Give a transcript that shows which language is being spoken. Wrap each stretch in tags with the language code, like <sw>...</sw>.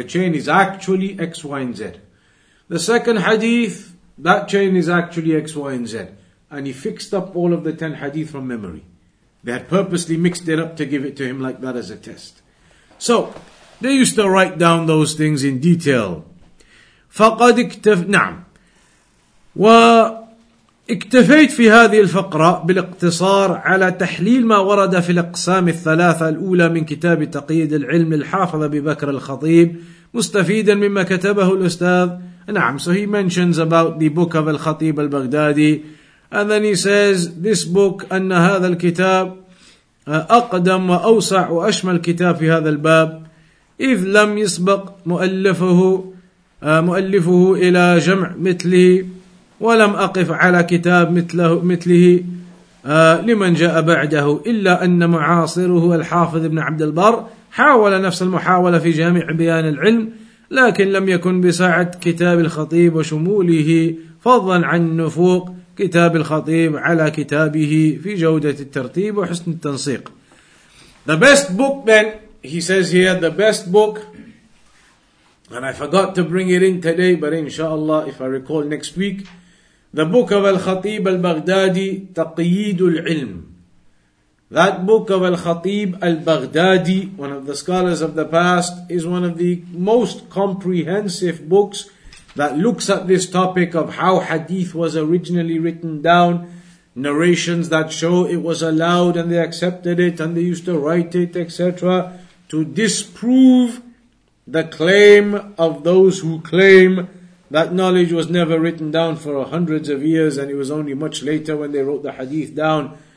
<en>The chain is actually X, Y, and Z. The second hadith, that chain is actually X, Y, and Z. And he fixed up all of the 10 hadith from memory. They had purposely mixed it up to give it to him like that as a test. So, they used to write down those things in detail.</en> <ar>فَقَدْ اِكْتَفْنَا اكتفيت في هذه الفقرة بالاقتصار على تحليل ما ورد في الأقسام الثلاثة الأولى من كتاب تقييد العلم الحافظ أبي بكر الخطيب مستفيدا مما كتبه الأستاذ. نعم,</ar> <en>so he mentions about the book of الخطيب البغدادي, and then he says this book,</en> <ar>أن هذا الكتاب أقدم وأوسع وأشمل كتاب في هذا الباب إذ لم يسبق مؤلفه إلى جمع مثله ولم أقف على كتاب مثله لمن جاء بعده إلا أن معاصره الحافظ ابن عبد البر حاول نفس المحاولة في جامع بيان العلم لكن لم يكن بسعة كتاب الخطيب وشموله فضلا عن نفوق كتاب الخطيب على كتابه في جودة الترتيب وحسن التنسيق.</ar> <en>The best book, then he says here, the best book, and I forgot to bring it in today, but inshallah if I recall next week, the book of Al-Khateeb Al-Baghdadi, Taqyeed Al-Ilm. That book of Al-Khateeb Al-Baghdadi, one of the scholars of the past, is one of the most comprehensive books that looks at this topic of how hadith was originally written down, narrations that show it was allowed and they accepted it and they used to write it, etc., to disprove the claim of those who claim that knowledge was never written down for hundreds of years and it was only much later when they wrote the hadith down.</en>